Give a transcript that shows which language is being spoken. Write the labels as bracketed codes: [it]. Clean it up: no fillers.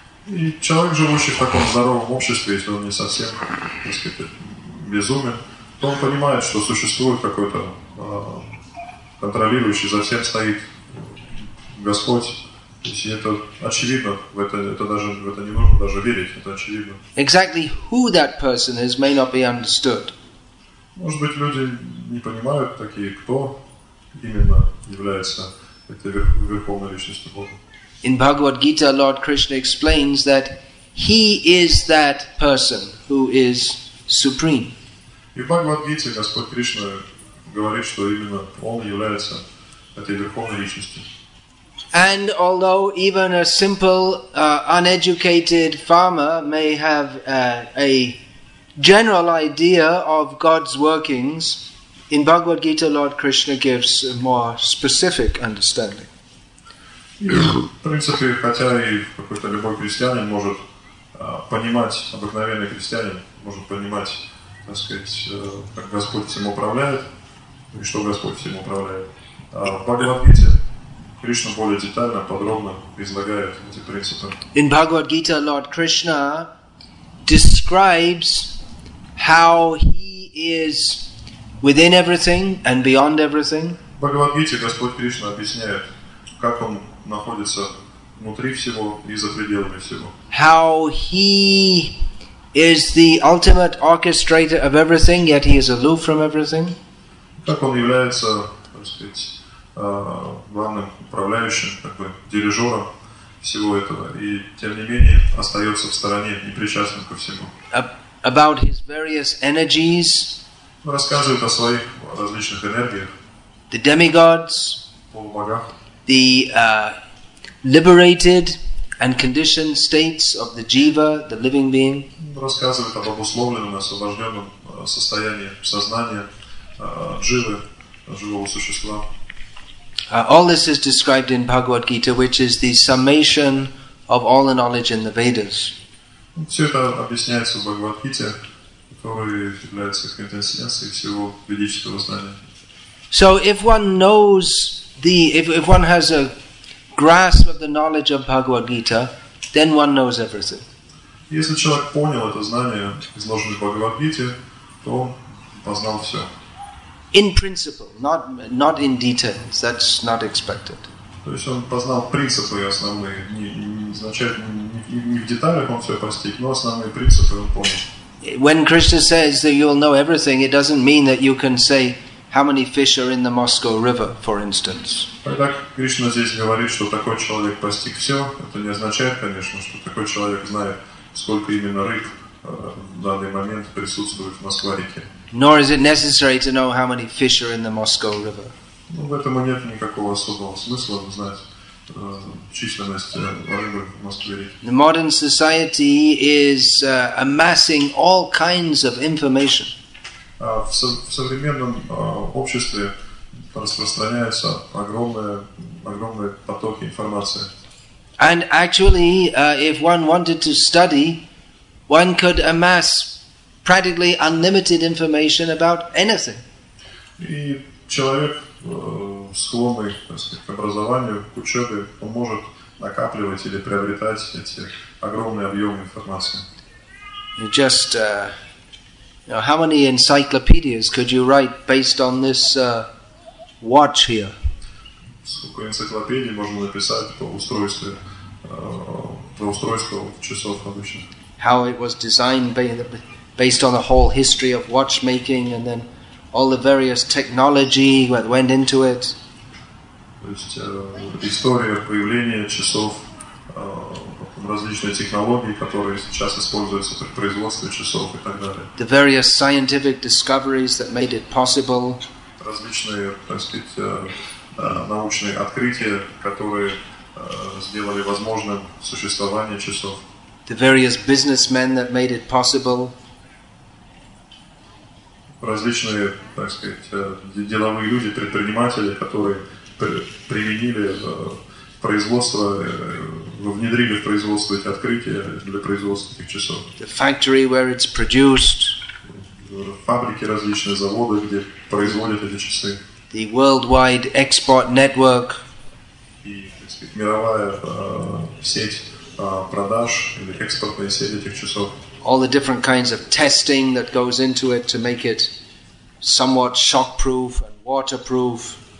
[ru] И человек, живущий в таком здоровом обществе, если он не совсем, так сказать, безумен, то он понимает, что существует какой-то контролирующий, за всем стоит Господь. Это очевидно, в это не нужно даже верить, это очевидно. [en] Exactly who that person is may not be understood. [ru] Может быть, люди не понимают такие, кто именно является этой Верховной Личностью Божьей. [en] In Bhagavad Gita, Lord Krishna explains that He is that person who is supreme. [ru] И в Бхагавад Гите Господь Кришна говорит, что именно Он является этой Верховной Личностью. [en] And although even a simple, uneducated farmer may have a general idea of God's workings, in Bhagavad Gita, Lord Krishna gives a more specific understanding. [ru] В принципе, хотя и какой-то любой крестьянин может понимать, обыкновенный крестьянин может понимать, так сказать, как Господь всем управляет, и что Господь всем управляет. В Бхагавад Гите Кришна более детально, подробно излагает эти принципы. [en] In Bhagavad Gita, Lord Krishna describes how he is within everything and beyond everything. [ru] В Бхагавад Гите Господь Кришна объясняет, как он находится внутри всего и за пределами всего. [en] How he is the ultimate orchestrator of everything, yet he is aloof from everything. [ru] Как он является, так сказать, главным управляющим, как бы дирижером всего этого, и тем не менее остается в стороне, не причастен ко всему. [en] About his various energies. [ru] Рассказывает о своих различных энергиях. [en] The demigods. [ru] Полубогах. [en] The liberated and conditioned states of the jiva, the living being. [ru] Рассказывает об обусловленном, освобожденном состоянии сознания дживы, живого существа. [en] All this is described in Bhagavad Gita, which is the summation of all the knowledge in the Vedas. [ru] Все это объясняется в Бхагавад Гите, который является конденсацией всего ведического знания. [en] So if one knows if one has a grasp of the knowledge of Bhagavad Gita, then one knows everything. [ru] Если человек понял это знание, изложенное в Бхагавад Гите, то он познал все. [en] In principle, not in details. That's not expected. [ru] То есть он познал принципы основные, не в деталях он все постиг, но основные принципы он понял. [en] When Krishna says that you'll know everything, it doesn't mean that you can say how many fish are in the Moscow River, for instance. [ru] Когда Кришна здесь говорит, что такой человек постиг все, это не означает, конечно, что такой человек знает, сколько именно рыб в данный момент присутствует в Москва-реке. [en] Nor is it necessary to know how many fish are in the Moscow River. [ru] Ну, в этом нет никакого особого смысла знать численность рыбы в Москве-реке. [en] The modern society is amassing all kinds of information. [ru] В современном обществе распространяются огромные потоки информации. [en] And actually, if one wanted to study, one could amass practically unlimited information about anything. [ru] И человек, склонный, так сказать, к образованию, к учебе, он может накапливать или приобретать эти огромные объемы информации. [en] How many encyclopedias could you write based on this watch here? [ru] Сколько энциклопедий можно написать по устройству, по устройству часов обычно? [en] How it was designed based on the whole history of watchmaking and then all the various technology that went into it. [ru] То есть история появления часов, различные технологии, которые сейчас используются при производстве часов и так далее. [en] The various scientific discoveries that made it possible. [ru] Различные, так сказать, научные открытия, которые сделали возможным существование часов. [en] The various businessmen that made it possible. [ru] Различные, так сказать, деловые люди, предприниматели, которые применили производство, внедрили в производство эти открытия для производства этих часов. [en] The factory where it's produced. [ru] Фабрики различные, заводы, где производят эти часы. [en] The worldwide export network. [ru] И, так сказать, мировая сеть продаж или экспортная сеть этих часов. [en] All the different kinds of testing that goes into it to make it somewhat shockproof and waterproof.